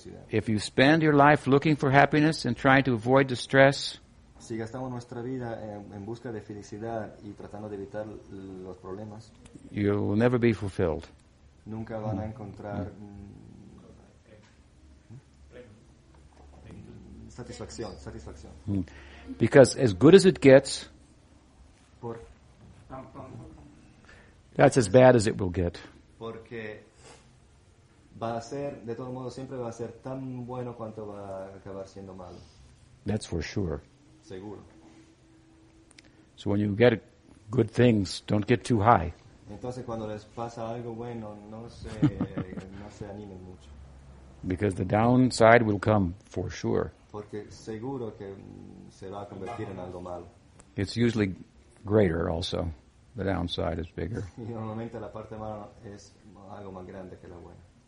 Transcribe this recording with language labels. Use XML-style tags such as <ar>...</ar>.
<en>If you spend your life looking for happiness and trying to avoid distress,</en> <es>si gastamos nuestra vida en busca de felicidad y tratando de evitar los problemas,</es> <en>you will never be fulfilled.</en> <es>Nunca van a encontrar satisfacción.</es> <en>Because as good as it gets, that's as bad as it will get.</en> <es>Porque va a ser, de todo modo, siempre va a ser tan bueno cuanto va a acabar siendo malo.</es> <en>That's for sure.</en> <es>Seguro.</es> <en>So when you get good things, don't get too high.</en> <es>Entonces cuando les pasa algo bueno, no se animen mucho.</es> <en>Because the downside will come for sure.</en> <es>Porque seguro que se va a convertir en algo malo.</es> <en>It's usually greater also. The downside is bigger.</en> <es>Y normalmente la parte mala es algo más grande que la buena.</es>